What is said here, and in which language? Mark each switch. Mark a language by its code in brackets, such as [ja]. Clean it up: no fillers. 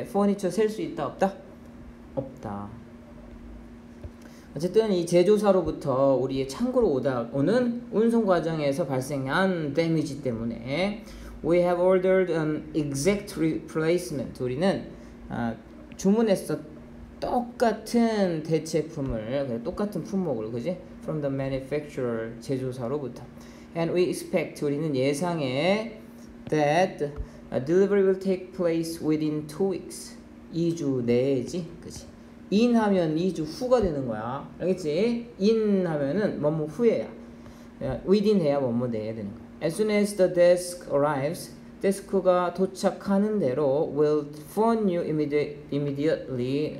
[ko] furniture 셀 수 있다 없다? 없다. 어쨌든 이 제조사로부터 우리의 창고로 오는 운송 과정에서 발생한 데미지 때문에 [en] We have ordered an exact replacement. [ko] 우리는 주문했어. 똑같은 대체품을, 똑같은 품목을, 그지? [en] From the manufacturer, 제조사로부터. And we expect, [ko] 우리는 예상해 [en] that delivery will take place within 2 weeks. [ko] 2주 내지, 그지? in 하면 2주 후가 되는 거야. 알겠지? in 하면은 뭐뭐 후에야. within 해야 뭐뭐 내야 되는 거야. [en] As soon as the desk arrives, [ko] 데스크가 도착하는 대로 [en] will phone you immediately.